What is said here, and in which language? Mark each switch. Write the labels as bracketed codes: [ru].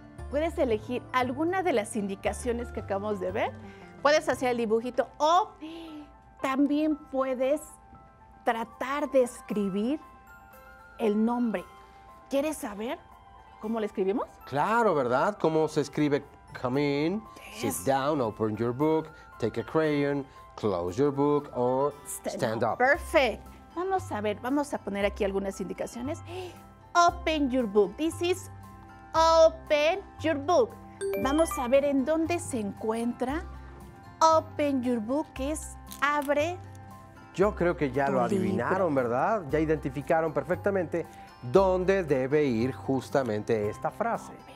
[es] Puedes elegir alguna de las indicaciones que acabamos de ver. Puedes hacer el dibujito o también puedes tratar de escribir el nombre. ¿Quieres saber cómo lo escribimos? Claro, ¿verdad? ¿Cómo se escribe? [en] Come in, sit down, open your book, take a crayon, close your book, or stand up. Perfect. [es] Vamos a ver, vamos a poner aquí algunas indicaciones. [en] Open your book. This is open your book. [es] Vamos a ver en dónde se encuentra [en] open your book, [es] que es abre. Yo creo que ya lo adivinaron, ¿verdad? Ya identificaron perfectamente dónde debe ir justamente esta frase.